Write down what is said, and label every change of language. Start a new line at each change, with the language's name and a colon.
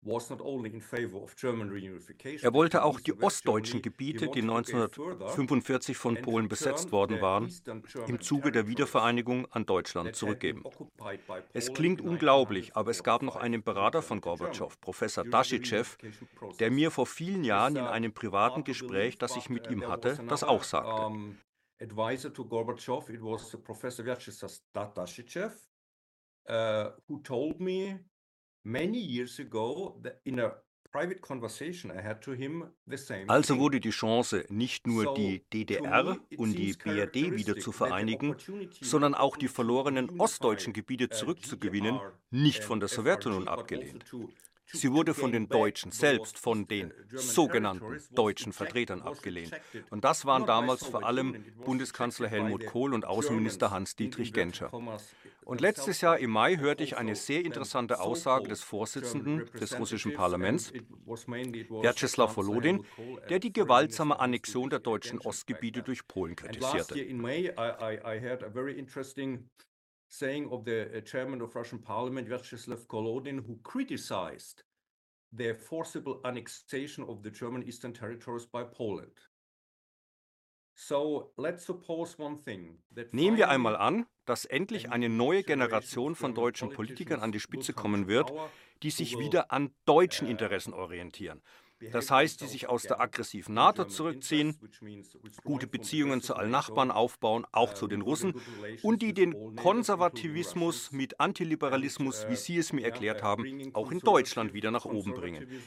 German: Er wollte auch die ostdeutschen Gebiete, die 1945 von Polen besetzt worden waren, im Zuge der Wiedervereinigung an Deutschland zurückgeben. Es klingt unglaublich, aber es gab noch einen Berater von Gorbatschow, Professor Daschitschew, der mir vor vielen Jahren in einem privaten Gespräch, das ich mit ihm hatte, das auch sagte.
English: Advisor to Gorbatschow, it was Professor Vyacheslav Daschitschew, who told me many years ago that in a private conversation I had to him the same thing.
German: Also wurde die Chance, nicht nur die DDR und die BRD wieder zu vereinigen, sondern auch die verlorenen ostdeutschen Gebiete zurückzugewinnen, nicht von der Sowjetunion abgelehnt. Sie wurde von den Deutschen selbst, von den sogenannten deutschen Vertretern abgelehnt. Und das waren damals vor allem Bundeskanzler Helmut Kohl und Außenminister Hans-Dietrich Genscher. Und letztes Jahr im Mai hörte ich eine sehr interessante Aussage des Vorsitzenden des russischen Parlaments, Vyacheslav Volodin, der die gewaltsame Annexion der deutschen Ostgebiete durch Polen kritisierte.
English: Saying of the chairman of Russian Parliament, Vyacheslav Volodin, who criticized the forcible annexation of the German eastern territories by Poland. So let's suppose one thing.
German: Nehmen wir einmal an, dass endlich eine neue Generation von deutschen Politikern an die Spitze kommen wird, die sich wieder an deutschen Interessen orientieren. Das heißt, die sich aus der aggressiven NATO zurückziehen, gute Beziehungen zu allen Nachbarn aufbauen, auch zu den Russen, und die den Konservativismus mit Antiliberalismus, wie Sie es mir erklärt haben, auch in Deutschland wieder nach oben bringen.